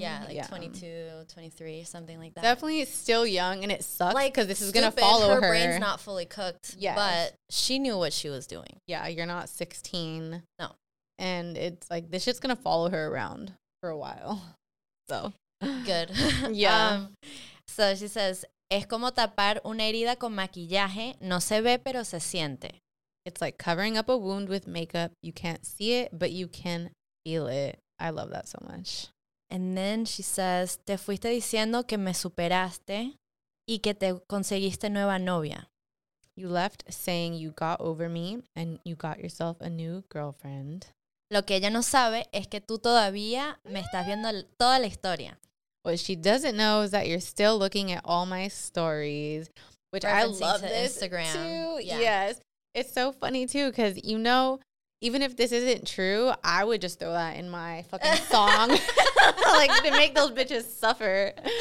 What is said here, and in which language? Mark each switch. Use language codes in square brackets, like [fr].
[en] Yeah, like 22, 23, something like that. Definitely still young, and it sucks like because this stupid. Is gonna follow her. Her brain's not fully cooked, yeah, but she knew what she was doing. Yeah, you're not 16. No, and it's like this shit's gonna follow her around for a while. So good, yeah. So she says, [es] es como tapar una herida con maquillaje, no se ve, pero se siente. [en] It's like covering up a wound with makeup. You can't see it, but you can feel it. I love that so much. And then she says, [es] te fuiste diciendo que me superaste y que te conseguiste nueva novia. [en] You left saying you got over me and you got yourself a new girlfriend. [es] Lo que ella no sabe es que tú todavía me estás viendo toda la historia. [en] What she doesn't know is that you're still looking at all my stories, which I love to this Instagram. Too. Yeah. Yes. It's so funny, too, because, you know, even if this isn't true, I would just throw that in my fucking song, like, to make those bitches suffer.